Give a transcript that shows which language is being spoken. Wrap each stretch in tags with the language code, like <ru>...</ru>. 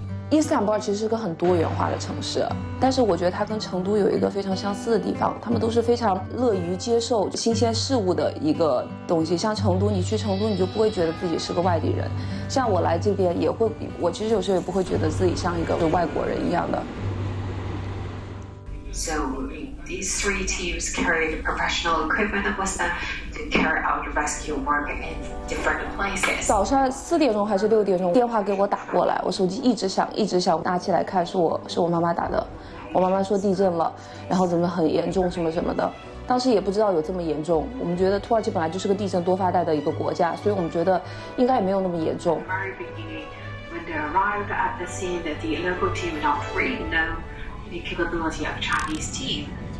<zh>伊斯坦布尔其实是个很多元化的城市，但是我觉得它跟成都有一个非常相似的地方，他们都是非常乐于接受新鲜事物的一个东西。像成都，你去成都你就不会觉得自己是个外地人，像我来这边也会，我其实有时候也不会觉得自己像一个外国人一样的。</zh> <en>So these three teams carried professional equipment that was to carry out rescue work in different places.</en> <zh>早上4点钟还是6点钟，电话给我打过来，我手机一直响一直响，拿起来看，是我妈妈打的。我妈妈说地震了，然后怎么很严重什么什么的，当时也不知道有这么严重。我们觉得土耳其本来就是个地震多发带的一个国家，所以我们觉得应该也没有那么严重。</zh> <en>Very beginning, when they arrived at the scene, that the local team not really know the capability of Chinese team.</en>